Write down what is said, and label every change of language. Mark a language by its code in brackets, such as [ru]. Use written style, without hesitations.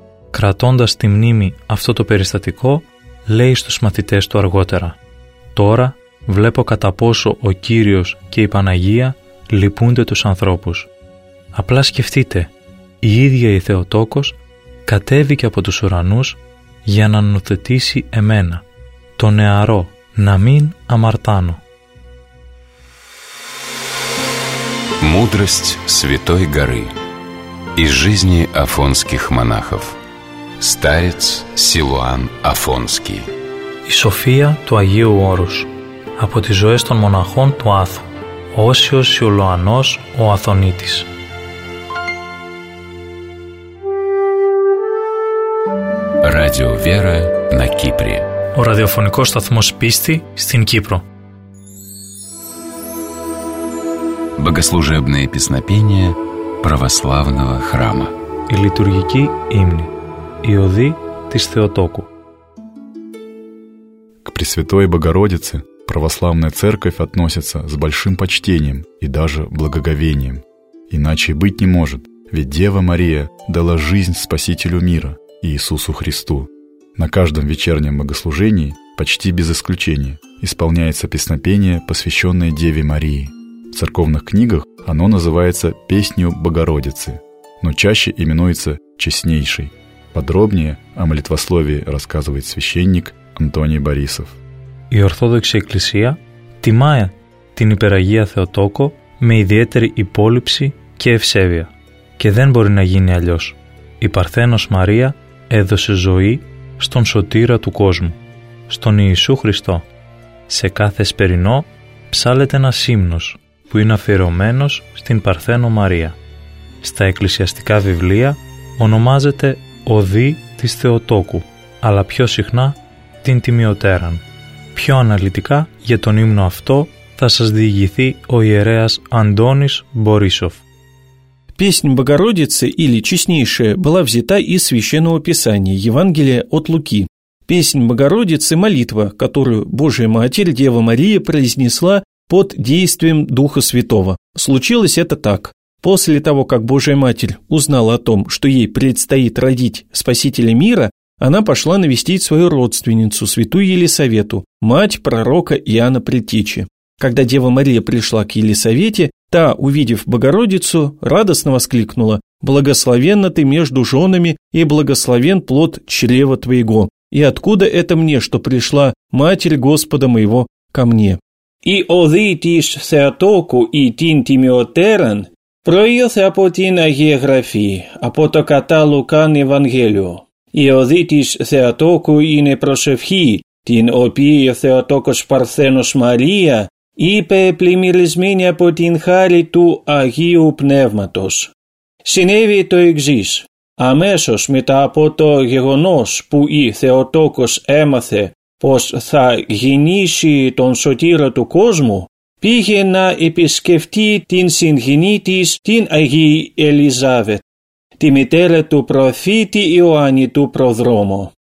[el] Κρατώντας τη μνήμη αυτό το περιστατικό, λέει στους μαθητές του αργότερα: «Τώρα βλέπω κατά πόσο ο Κύριος και η Παναγία λυπούνται τους ανθρώπους. Απλά σκεφτείτε, η ίδια η Θεοτόκος κατέβηκε από τους ουρανούς για να νοθετήσει εμένα, το νεαρό, να μην αμαρτάνω». [ru] Мудрость Святой Горы из жизни афонских монахов. Старец Силуан Афонский. [el] Η σοφία του Αγίου Όρους από τις ζωές των μοναχών του Άθου. Όσιος Σιλουανός ο Αθωνίτης. [ru] Radio Vera na Kypri. [el] Ο ραδιοφωνικός σταθμός πίστη στην Κύπρο. [ru] Богослужебные песнопения православного храма. [el] Η λειτουργική ύμνη. Η οδή της Θεοτόκου. [ru] К Пресвятой Богородице православная церковь относится с большим почтением и даже благоговением. Иначе быть не может, ведь Дева Мария дала жизнь Спасителю мира, Иисусу Христу. На каждом вечернем богослужении, почти без исключения, исполняется песнопение, посвященное Деве Марии. В церковных книгах оно называется «Песнью Богородицы», но чаще именуется «Честнейшей». Подробнее о молитвословии рассказывает священник Антоний Борисов. [el] Η Ορθόδοξη Εκκλησία τιμάει την Υπεραγία Θεοτόκο με ιδιαίτερη υπόληψη και ευσέβεια. Και δεν μπορεί να γίνει αλλιώς. Η Παρθένος Μαρία έδωσε ζωή στον Σωτήρα του κόσμου, στον Ιησού Χριστό. Σε κάθε σπερινό ψάλλεται ένας ύμνος που είναι αφιερωμένος στην Παρθένο Μαρία. Στα εκκλησιαστικά βιβλία ονομάζεται «Οδή της Θεοτόκου», αλλά πιο συχνά «Την Τιμιωτέραν». Πιο αναλυτικά για τον ύμνο αυτό θα σας διηγηθεί ο ιερέας Αντώνης Μπορίσοφ. [ru] Песнь Богородицы или Честнейшая была взята из Священного Писания, Евангелия от Луки. Песнь Богородицы – молитва, которую Божья Матерь Дева Мария произнесла под действием Духа Святого. Случилось это так. После того, как Божья Матерь узнала о том, что ей предстоит родить Спасителя мира, она пошла навестить свою родственницу, святую Елисавету, мать пророка Иоанна Предтечи. Когда Дева Мария пришла к Елисавете, та, увидев Богородицу, радостно воскликнула: «Благословенна ты между женами, и благословен плод чрева твоего! И откуда это мне, что пришла Матерь Господа моего ко мне?» [el] «И оди тис Θεοτόκου и тин Тимиотерен проиоθε апо тин Агиографии, апо то ката Лукан Евангелио. Η οδή της Θεοτόκου είναι προσευχή, την οποία ο Θεοτόκος Παρθένος Μαρία είπε πλημμυρισμένη από την χάρη του Αγίου Πνεύματος. Συνέβη το εξής. Αμέσως μετά από το γεγονός που η Θεοτόκος έμαθε πως θα γεννήσει τον Σωτήρα του κόσμου, πήγε να επισκεφτεί την συγγενή της, την Αγία Ελισάβετ, τη μητέρα του προφήτη Ιωάννη του Προδρόμου.